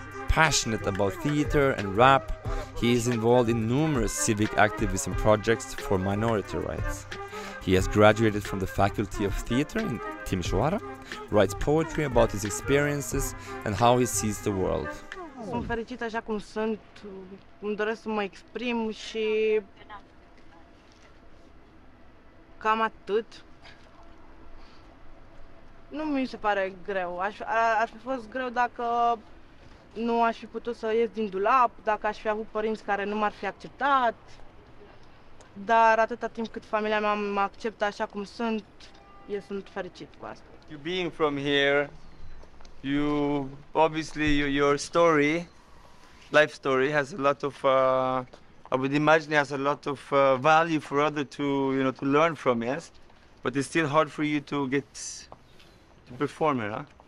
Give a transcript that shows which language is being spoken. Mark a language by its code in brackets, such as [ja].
[en] Passionate about theater and rap, he is involved in numerous civic activism projects for minority rights. He has graduated from the Faculty of Theater in Timișoara, writes poetry about his experiences and how he sees the world. [ro] Sunt fericită așa cum sunt, îmi doresc să mă exprim și cam atât. Nu mi se pare greu. Aș fi fost greu dacă nu aș fi putut să ies din dulap, dacă aș fi avut părinți care nu m-ar fi acceptat. Dar atâta timp cât familia mea mă acceptă așa cum sunt, eu sunt fericit cu asta. [en] You being from here, you obviously your story, life story has a lot of I would imagine it has a lot of value for others to, you know, to learn from, yes? But it's still hard for you to get to perform it, huh?